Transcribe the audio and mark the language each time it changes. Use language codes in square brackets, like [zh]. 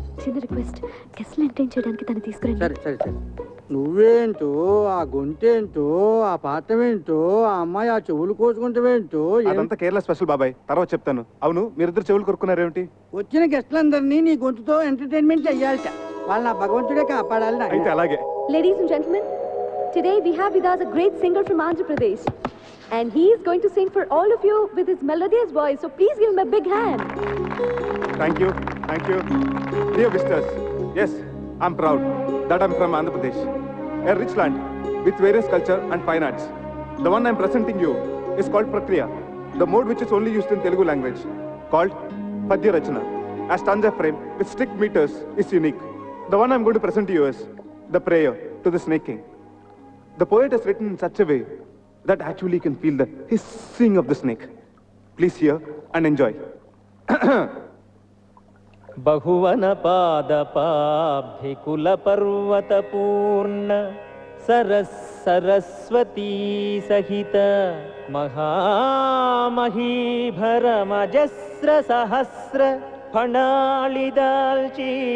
[te] చిన్న request, guest enter చేయడానికి తను తీసుకురండి. సరే సరే సరే. నువ్వేంటో ఆ గొంతేంటో ఆ పాతమేంటో ఆ అమ్మాయి ఆ చెవులు కోసుకుంటవేంటో? అదంతా కేరళ స్పెషల్ బాబాయ్, తర్వాత చెప్తాను. అవును, మీరిద్దరు చెవులు కొరుక్కున్నారు ఏమిటి? వచ్చిన గెస్ట్లందరినీ నీ గొంతుతో ఎంటర్టైన్మెంట్ చెయ్యాలట. వాళ్ళ భగవంతుడే కాపాడాలి. అయితే అలాగే. [en] Ladies and gentlemen, today we have with us a great singer from Andhra Pradesh and he is going to sing for all of you with his melodious voice, so please give him a big hand. Thank you. Dear visitors, yes, I'm proud that I'm from Andhra Pradesh, a rich land with various culture and fine arts. The one I'm presenting you is called Prakriya, the mode which is only used in Telugu language, called Padya Rachana. A stanza frame with strict meters is unique. The one I'm going to present to you is the prayer to the snake king. The poet has written in such a way that actually you can feel the hissing of the snake. Please hear and enjoy. [te] బహువన పాదపాభికులపర్వతపూర్ణ సరస్సరస్వతీ సహిత మహామహీభర మజస్ర సహస్ర ఫణాళిదాల్చీ